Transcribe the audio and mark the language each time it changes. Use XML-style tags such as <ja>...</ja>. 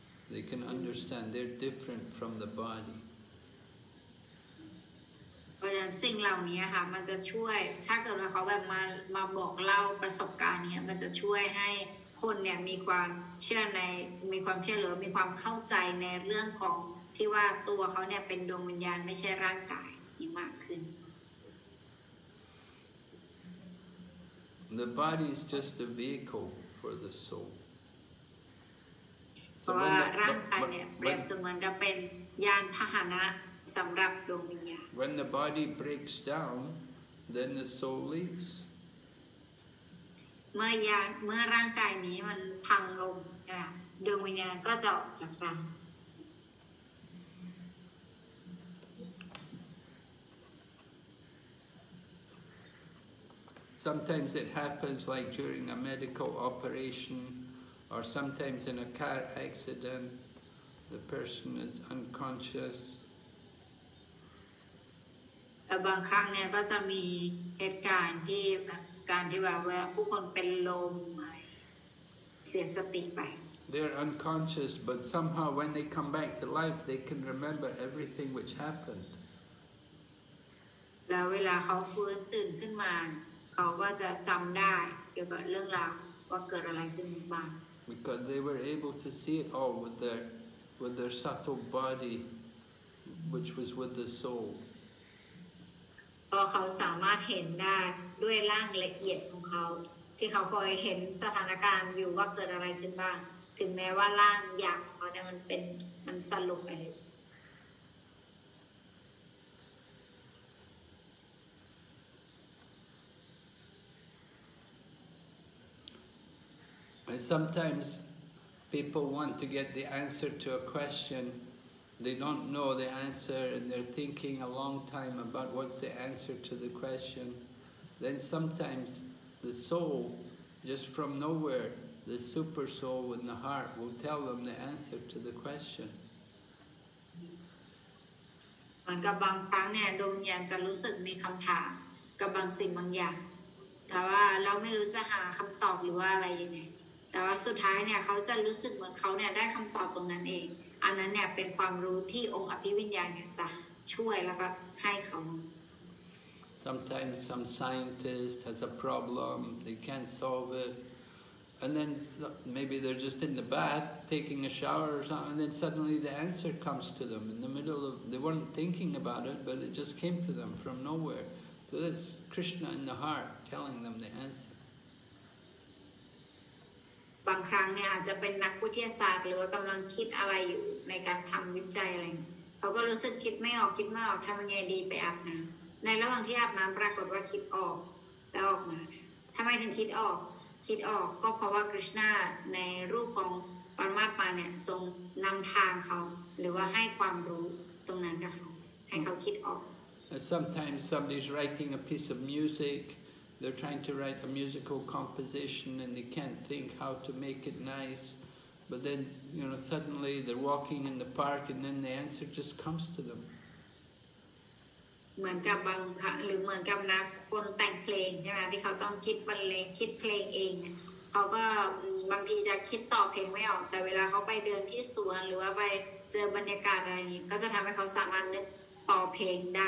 <en>They can understand they're different from the body.</en> <th>เพราะฉะนั้นสิ่งเหล่านี้ค่ะมันจะช่วยถ้าเกิดว่าเขาแบบมาบอกเล่าประสบการณ์เนี่ยมันจะช่วยให้คนเนี่ยมีความเชื่อหรือมีความเข้าใจในเรื่องของที่ว่าตัวเขาเนี่ยเป็นดวงวิญญาณไม่ใช่ร่างกายนี่มากขึ้น</th> <en>The body is just a vehicle for the soul.</en> <th>เพราะว่าร่างกายเนี่ยเปรียบเสมือนกับเป็นยานพาหนะสำหรับดวงวิญญาณ</th> <en>When the body breaks down, then the soul leaves.</en> <th>เมื่อร่างกายนี้มันพังลงดวงวิญญาณก็จะออกจากร่าง</th> <en>Sometimes it happens like during a medical operation or sometimes in a car accident the person is unconscious</en> <th>บางครั้งเนี่ยก็จะมีเหตุการณ์ที่แบบการที่ว่าผู้คนเป็นลมเสียสติไป</th> <en>They're unconscious but somehow when they come back to life they can remember everything which happened</en> <th>แล้วเวลาเขาฟื้นตื่นขึ้นมาเขาก็จะจำได้เกี่ยวกับเรื่องราวว่าเกิดอะไรขึ้นบ้าง</th> <en>Because they were able to see it all with their subtle body which was with the soul</en> <th>ก็เขาสามารถเห็นได้ด้วยร่างละเอียดของเขาที่เขาคอยเห็นสถานการณ์อยู่ว่าเกิดอะไรขึ้นบ้างถึงแม้ว่าร่างอย่างของเขาเนี่ยมันสลบไป</th> <en>And sometimes people want to get the answer to a questionThey don't know the answer and they're thinking a long time about what's the answer to the question. Then sometimes the soul, just from nowhere, the super soul in the heart will tell them the answer to the question.</en> <th>เหมือนกับบางครั้งเนี่ยดวงวิญญาณจะรู้สึกมีคำถามกับบางสิ่งบางอย่างแต่ว่าเราไม่รู้จะหาคำตอบหรือว่าอะไรยังไงแต่ว่าสุดท้ายเนี่ยเขาจะรู้สึกเหมือนเขาเนี่ยได้คำตอบตรงนั้นเองอันนั้นเนี่ยเป็นความรู้ที่องค์อภิวิญญาณเนี่ยจะช่วยแล้วก็ให้เขา</th> <en>Sometimes some scientist has a problem they can't solve it and then maybe they're just in the bath taking a shower or something and then suddenly the answer comes to them in the middle of they weren't thinking about it but it just came to them from nowhere so that's Krishna in the heart telling them the answer</en> <th>บางครั้งเนี่ยอาจจะเป็นนักวิทยาศาสตร์หรือว่ากำลังคิดอะไรอยู่ในการทำวิจัยอะไรเขาก็รู้สึกคิดไม่ออกทำยังไงดีไปอาบน้ำในระหว่างที่อาบน้ำปรากฏว่าคิดออกแล้วออกมาทำไมถึงคิดออกก็เพราะว่าคริชนาในรูปของปรมาตมาเนี่ยทรงนำทางเขาหรือว่าให้ความรู้ตรงนั้นกับเขาให้เขาคิดออก</th> <en>Sometimes somebody's writing a piece of musicThey're trying to write a musical composition and they can't think how to make it nice. But then, you know, suddenly they're walking in the park and then the answer just comes to them.</en> <th>เหมือนกับบางครั้งหรือเหมือนกับนักคนแต่งเพลงใช่ไหมที่เขาต้องคิดบรรเลงคิดเพลงเอง ขาก็บางทีจะคิดต่อเพลงไม่ออกแต่เวลาเขาไปเดินที่สวนหรือว่าไปเจอบรรยากาศอะไรก็จะทำให้เขาสามารถนึกต่อเพลงได</th>